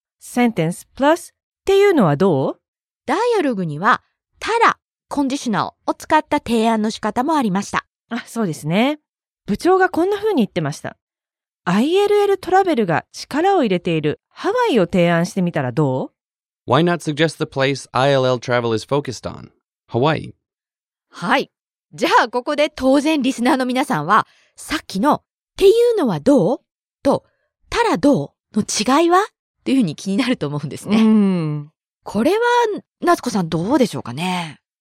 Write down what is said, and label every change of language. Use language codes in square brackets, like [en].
[en] sentence plus [ja] っていうのはどう？ダイアログには、ただ、コンディショナルを使った提案の仕方もありました。あ、そうですね。部長がこんな風に言ってました。ILL トラベルが力を入れているハワイを提案してみたらどう？ [en] Why not suggest the place ILL Travel is focused on? Hawaii. [ja] はい。じゃあ、ここで当然リスナーの皆さんは、さっきの、っていうのはどう？と、ただどうの違いは？っていう風に気になると思うんですね。うん。これは夏子さんどうでしょうかね。